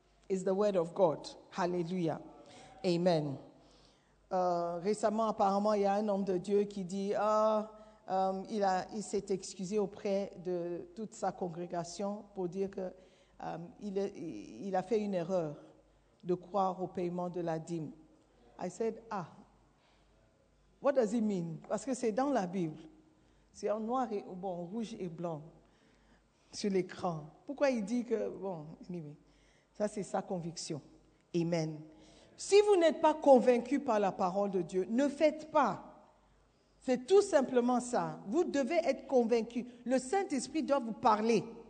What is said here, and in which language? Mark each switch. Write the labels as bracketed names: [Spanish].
[English] It's the word of God. Hallelujah. Amen. [French] Récemment, apparemment, il y a un homme de Dieu qui dit, il s'est excusé auprès de toute sa congrégation pour dire qu'il a fait une erreur de croire au paiement de la dîme. [English] I said, ah, what does it mean? [French] Parce que c'est dans la Bible. C'est en noir et bon, rouge et blanc sur l'écran. Pourquoi il dit que, bon, anyway, ça c'est sa conviction. Amen. Si vous n'êtes pas convaincu par la parole de Dieu, ne faites pas. C'est tout simplement ça. Vous devez être convaincu. Le Saint-Esprit doit vous parler.